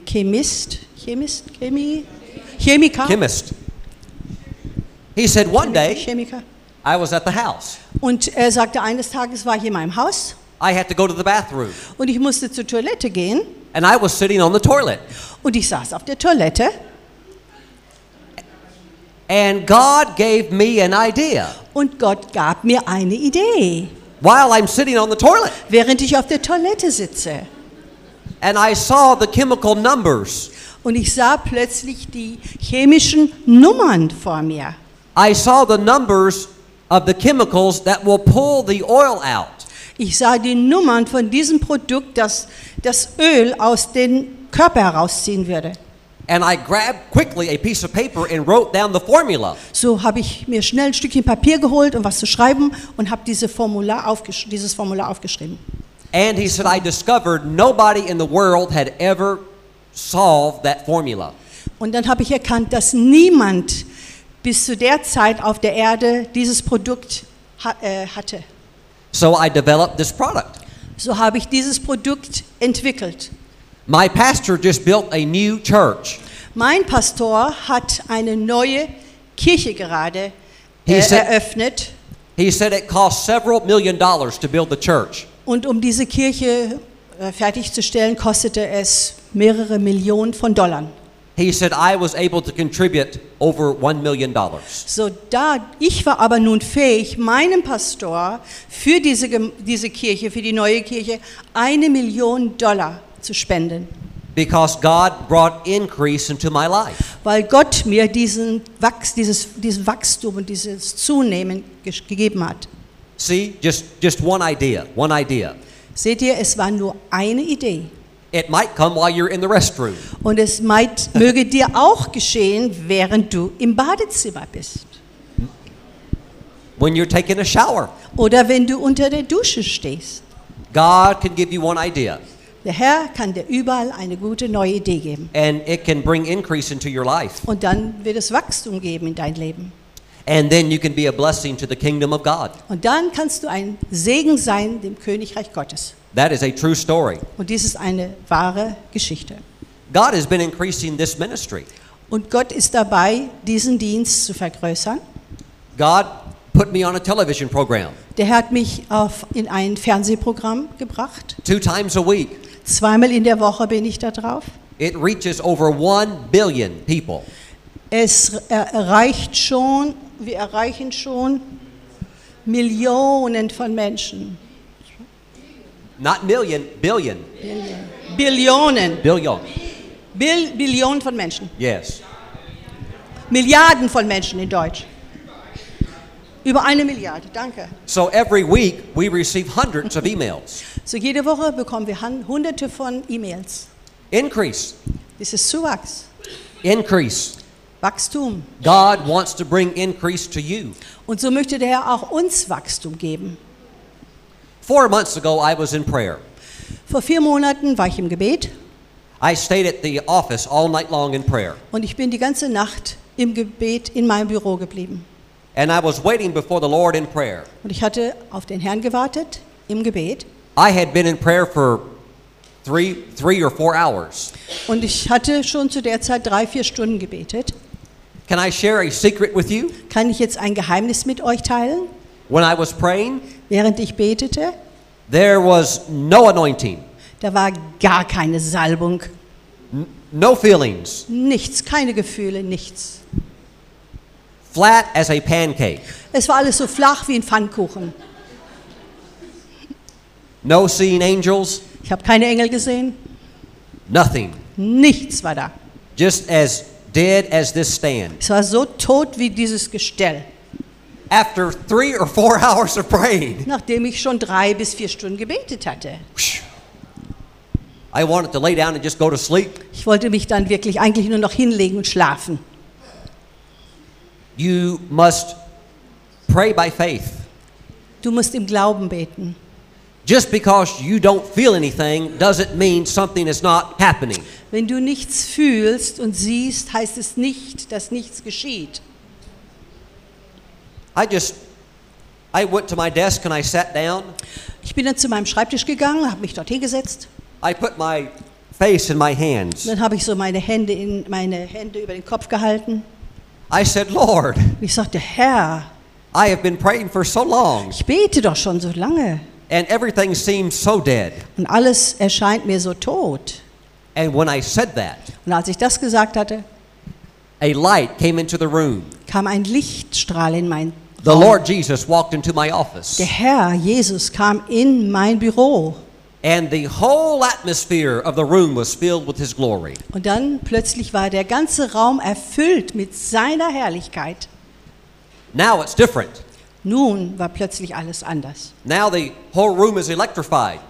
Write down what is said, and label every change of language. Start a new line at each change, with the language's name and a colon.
English: Chemist. He said, one day, I was at the house.
German: Und er sagte, eines Tages war ich in meinem Haus.
English: I had to go to the bathroom.
German: Und ich musste zur Toilette gehen.
English: And I was sitting on the toilet.
German: Und ich saß auf der Toilette.
English: And God gave me an idea.
German: Und Gott gab mir eine Idee.
English: While I'm sitting on the toilet.
German: Während ich auf der Toilette sitze.
English: And I saw the chemical numbers.
German: Und ich sah plötzlich die chemischen Nummern vor mir.
English: I saw the numbers of the chemicals that will pull the oil out.
German: Ich sah die Nummern von diesem Produkt, das das Öl aus dem Körper herausziehen würde.
English: And I grabbed quickly a piece of paper and wrote down the formula.
German: So habe ich mir schnell ein Stückchen Papier geholt, um was zu schreiben, und habe dieses Formular aufgeschrieben.
English: And he said, I discovered nobody in the world had ever solved that formula.
German: Und dann habe ich erkannt, dass niemand bis zu der Zeit auf der Erde dieses Produkt hatte.
English: So I developed this product.
German: So habe ich dieses Produkt entwickelt.
English: My pastor just built a new church.
German: Mein Pastor hat eine neue Kirche gerade eröffnet.
English: He said it cost several million dollars to build the church.
German: Und um diese Kirche fertigzustellen, kostete es mehrere Millionen von Dollar.
English: He said, I was able to contribute over $1 million.
German: So da, ich war aber nun fähig, meinem Pastor für diese Kirche, für die neue Kirche, $1 million zu spenden.
English: Because God brought increase into my life.
German: Weil Gott mir dieses Wachstum und dieses Zunehmen gegeben hat.
English: See, just one idea.
German: Seht ihr, es war nur eine Idee.
English: It might come while you're in the restroom.
German: Und es
English: might
German: möge dir auch geschehen, während du im Badezimmer bist.
English: When you're taking a shower.
German: Oder wenn du unter der Dusche stehst.
English: God can give you one idea.
German: Der Herr kann dir überall eine gute neue Idee geben.
English: And it can bring increase into your life.
German: Und dann wird es Wachstum geben in dein Leben.
English: And then you can be a blessing to the kingdom of God.
German: Und dann kannst du ein Segen sein dem Königreich Gottes.
English: That is a true story.
German: Und dies ist eine wahre Geschichte.
English: God has been increasing this ministry.
German: Und Gott ist dabei, diesen Dienst zu vergrößern.
English: God put me on a television program.
German: Der Herr hat mich in ein Fernsehprogramm gebracht.
English: Two times a week.
German: Zweimal in der Woche bin ich da drauf.
English: It reaches over 1 billion people.
German: Es erreicht schon, wir erreichen schon Millionen von Menschen.
English: Not million, billion.
German: Billionen.
English: Billion.
German: Billionen von Menschen.
English: Yes.
German: Milliarden von Menschen in Deutsch. Über eine Milliarde, danke.
English: So every week we receive hundreds of emails.
German: So jede Woche bekommen wir hunderte von E-Mails.
English: Increase. This is
German: Zuwachs.
English: Increase.
German: Wachstum.
English: God wants to bring increase to you.
German: Und so möchte der Herr auch uns Wachstum geben.
English: 4 months ago, I was in prayer.
German: Vor 4 Monaten war ich im Gebet.
English: I stayed at the office all night long in prayer.
German: Und ich bin die ganze Nacht im Gebet in meinem Büro geblieben.
English: And I was waiting before the Lord in prayer.
German: Und ich hatte auf den Herrn gewartet im Gebet.
English: I had been in prayer for three or four hours.
German: Und ich hatte schon zu der Zeit 3-4 Stunden gebetet.
English: Can I share a secret with you?
German: Kann ich jetzt ein Geheimnis mit euch teilen?
English: When I was praying,
German: während ich betete,
English: there was no anointing.
German: Da war gar keine Salbung.
English: No feelings.
German: Nichts, keine Gefühle, nichts.
English: Flat as a pancake.
German: Es war alles so flach wie ein Pfannkuchen.
English: No seeing angels.
German: Ich habe keine Engel gesehen.
English: Nothing.
German: Nichts war da.
English: Just as dead as this stand.
German: Es war so tot wie dieses Gestell.
English: After 3 or 4 hours of praying.
German: Nachdem ich schon 3 bis 4 Stunden gebetet hatte.
English: I wanted to lay down and just go to sleep.
German: Ich wollte mich dann wirklich eigentlich nur noch hinlegen und schlafen.
English: You must pray by faith.
German: Du musst im Glauben beten.
English: Just because you don't feel anything doesn't mean something is not happening.
German: Wenn du nichts fühlst und siehst, heißt es nicht, dass nichts geschieht.
English: I went to my desk and I sat down.
German: Ich bin dann zu meinem Schreibtisch gegangen, habe mich dort hingesetzt.
English: I put my face in my hands.
German: Dann habe ich so meine Hände über den Kopf gehalten.
English: I said, Lord.
German: Ich sagte, Herr.
English: I have been praying for so long.
German: Ich bete doch schon so lange.
English: And everything seems so dead.
German: Und alles erscheint mir so tot.
English: And when I said that,
German: und als ich das gesagt hatte,
English: a light came into the room.
German: Kam ein Lichtstrahl in mein The Raum.
English: Lord Jesus walked into my office.
German: Der Herr Jesus kam in mein Büro.
English: And the whole atmosphere of the room was filled with his glory.
German: Und dann plötzlich war der ganze Raum erfüllt mit seiner Herrlichkeit.
English: Now it's different.
German: Nun war plötzlich alles anders.
English: Now the whole room is electrified.